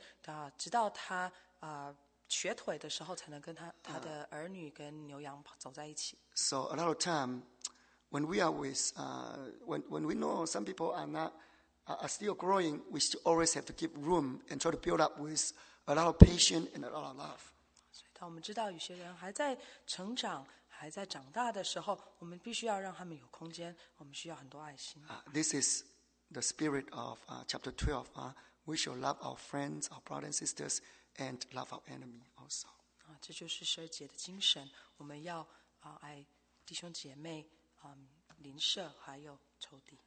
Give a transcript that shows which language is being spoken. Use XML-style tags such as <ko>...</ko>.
<zh>雅各很强壮的时候，他们都一直跑在前面，直到他。瘸腿的时候才能跟他的儿女跟牛羊走在一起。</zh> <en>So a lot of time, when we are with, when we know some people are not are still growing, we still always have to give room and try to build up with a lot of patience and a lot of love.</en> <zh>所以当我们知道有些人还在成长，还在长大的时候，我们必须要让他们有空间，我们需要很多爱心。</zh> <en>This is the spirit of chapter 12. We shall love our friends, our brothers and sisters. And love our enemy also.</en> <zh>这就是十二节的精神，我们要爱弟兄姐妹，邻舍还有仇敌。</zh>